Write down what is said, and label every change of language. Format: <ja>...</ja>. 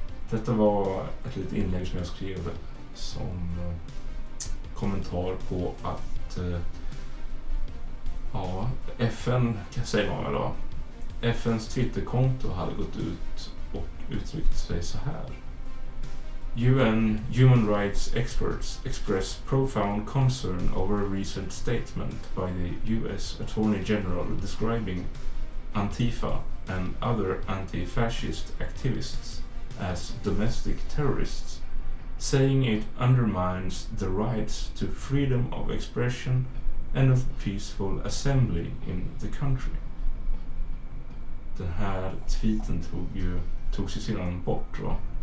<sv>Detta var ett litet inlägg som jag skrev som kommentar på att ja, FN, kan jag säga vad man då? FNs Twitterkonto hade gått ut och uttryckt sig så här.</sv> <en>UN Human Rights Experts express profound concern over a recent statement by the US Attorney General describing Antifa and other anti-fascist activists as domestic terrorists, saying it undermines the rights to freedom of expression and of peaceful assembly in the country.</en> <sv>Den här tweeten tog sig sedan bort då.</sv>